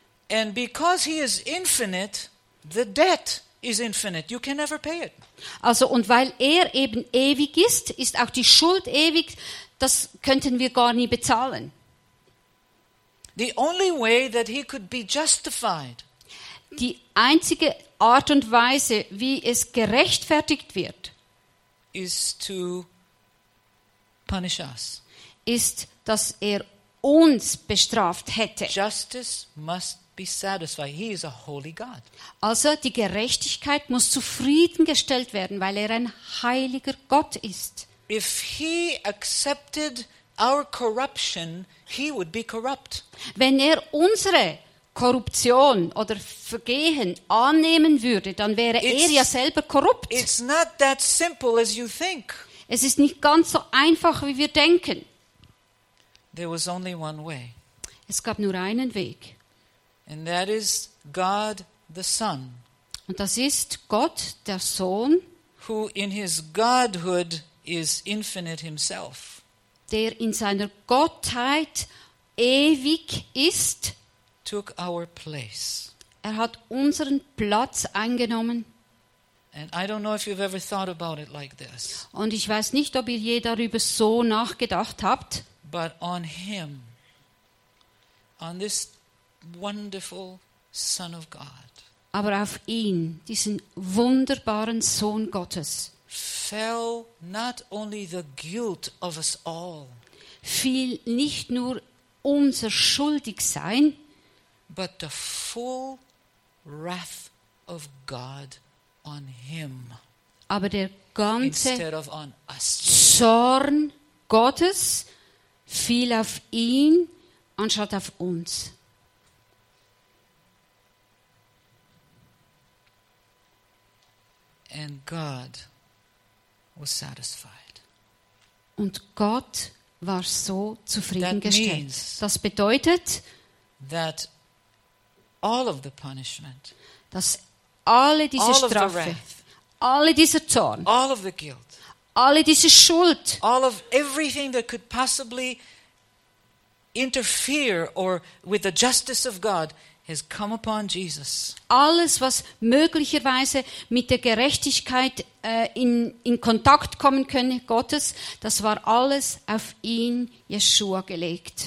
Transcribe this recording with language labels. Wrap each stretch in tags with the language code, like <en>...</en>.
<en>And because he is infinite, the debt is infinite. You can never pay it.</en> <de>Also und weil er eben ewig ist, ist auch die Schuld ewig. Das könnten wir gar nie bezahlen.</de> <en>The only way that he could be justified.</en> <de>Die einzige Art und Weise, wie es gerechtfertigt wird, ist, dass er uns bestraft hätte.</de> <en>Justice must be satisfied. He is a holy God.</en> <de>Also die Gerechtigkeit muss zufriedengestellt werden, weil er ein heiliger Gott ist.</de> <en>If he accepted our corruption, he would be corrupt.</en> <de>Wenn er unsere Korruption oder Vergehen annehmen würde, dann wäre er ja selber korrupt.</de> <en>It's not that simple as you think.</en> <de>Es ist nicht ganz so einfach, wie wir denken.</de> <en>There was only one way.</en> <de>Es gab nur einen Weg.</de> <en>And that is God the Son.</en> <de>Und das ist Gott, der Sohn,</de> <en>who in his Godhood is infinite himself.</en> <de>Der in seiner Gottheit ewig ist.</de> <en>Took our place.</en> <de>Er hat unseren Platz eingenommen.</de> <en>And I don't know if you've ever thought about it like this.</en> <de>Und ich weiß nicht, ob ihr je darüber so nachgedacht habt.</de> <en>But on him, on this wonderful Son of God.</en> <de>Aber auf ihn, diesen wunderbaren Sohn Gottes.</de> <en>Fell not only the guilt of us all.</en> <de>Fiel nicht nur unser Schuldigsein.</de> <en>But the full wrath of God on him.</en> <de>Aber der ganze</de> <en>instead of on us.</en> <de>Zorn Gottes fiel auf ihn anstatt auf uns.</de> <en>And God was satisfied.</en> <de>Und Gott war so zufriedengestellt. Das bedeutet,</de> <en>that all of the punishment,</en> <de>dass alle diese Strafe, alle dieser Zorn,</de> <en>all of the guilt,</en> <de>alle diese Schuld,</de> <en>all of everything that could possibly interfere or with the justice of God has come upon Jesus.</en> <de>Alles, was möglicherweise mit der Gerechtigkeit in Kontakt kommen könnte Gottes, das war alles auf ihn, Yeshua, gelegt.</de>